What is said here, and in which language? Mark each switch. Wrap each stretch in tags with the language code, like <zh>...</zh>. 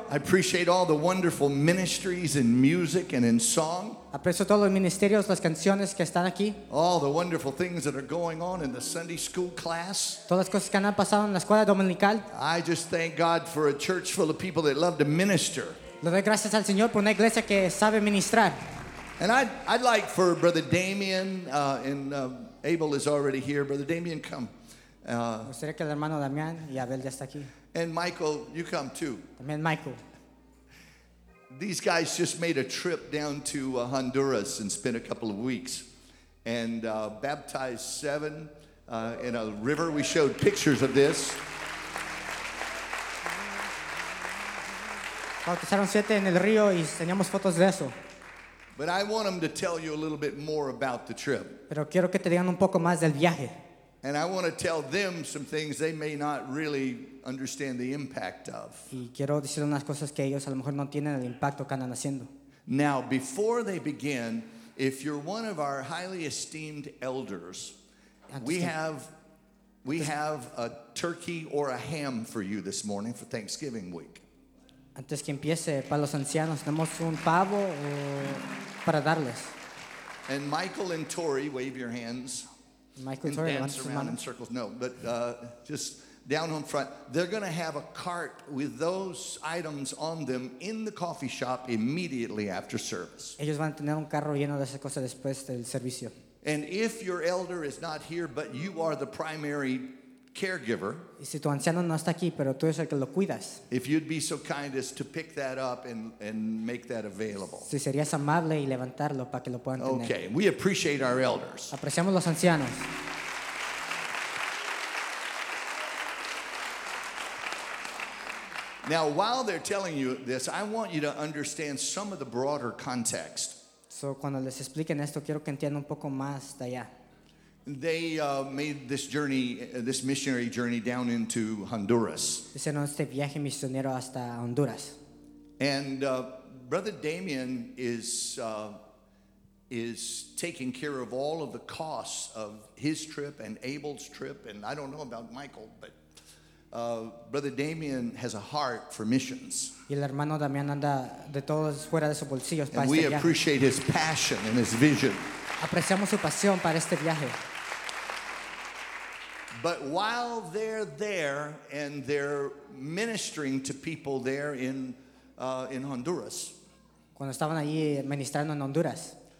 <en>I appreciate all the wonderful ministries in music and in song.</en> <es>Aprecio todos los ministerios, las canciones que están aquí.</es> <en>All the wonderful things that are going on in the Sunday school class.</en> <es>Todas las cosas que han pasado en la escuela dominical.</es> <en>I just thank God for a church full of people that love to minister.</en> <es>Le doy gracias al Señor por una iglesia que sabe ministrar.</es> <en>And I'd like for Brother Damien, and Abel is already here. Brother Damien, come.</en> <es>Gustaría que el hermano Damián y Abel ya está aquí.</es> <en>And Michael, you come too.</en> <es>También Michael.</es> <en>These guys just made a trip down to Honduras and spent a couple of weeks and baptized seven in a river. We showed pictures of this.</en> <es>Bautizaron siete en el río y teníamos fotos de eso.</es> <en>But I want them to tell you a little bit more about the trip.</en> <es>Pero quiero que te digan un poco más del viaje.</es> <en>And I want to tell them some things they may not really understand the impact of.</en> <es>Y quiero decir unas cosas que ellos a lo mejor no tienen el impacto que andan haciendo.</es> <en>Now, before they begin, if you're one of our highly esteemed elders, we have a turkey or a ham for you this morning for Thanksgiving week.</en> <es>Antes que empiece, para los ancianos, tenemos un pavo para darles.</es> <en>And Michael and Tori, wave your hands. Michael and Tori, dance around in circles. No, but just down on front. They're going to have a cart with those items on them in the coffee shop immediately after service.</en> <es>Ellos van a tener un carro lleno de esas cosas después del servicio.</es> <en>And if your elder is not here, but you are the primary caregiver,</en> <es>y si tu anciano no está aquí, pero tú eres el que lo cuidas,</es> <en>if you'd be so kind as to pick that up and make that available.</en> <es>Si serías amable y levantarlo para que lo puedan tener.</es> <en>Okay, we appreciate our elders.</en> <es>Apreciamos los ancianos.</es> <en>Now, while they're telling you this, I want you to understand some of the broader context.</en> <es>So, cuando les expliquen esto, quiero que entiendan un poco más de allá.</es> <en>They made this journey, this missionary journey down into Honduras.</en> <es>Hicieron este viaje misionero hasta Honduras.</es> <en>And Brother Damien is taking care of all of the costs of his trip and Abel's trip. And I don't know about Michael, but Brother Damien has a heart for missions.</en> <es>Y el hermano Damián anda de todos fuera de sus bolsillos para este viaje.</es> <en>And we appreciate his passion and his vision.</en> <es>Apreciamos su pasión para este viaje.</es> <en>But while they're there and they're ministering to people there in Honduras,</en> <es>cuando estaban allí ministrando en Honduras,</es>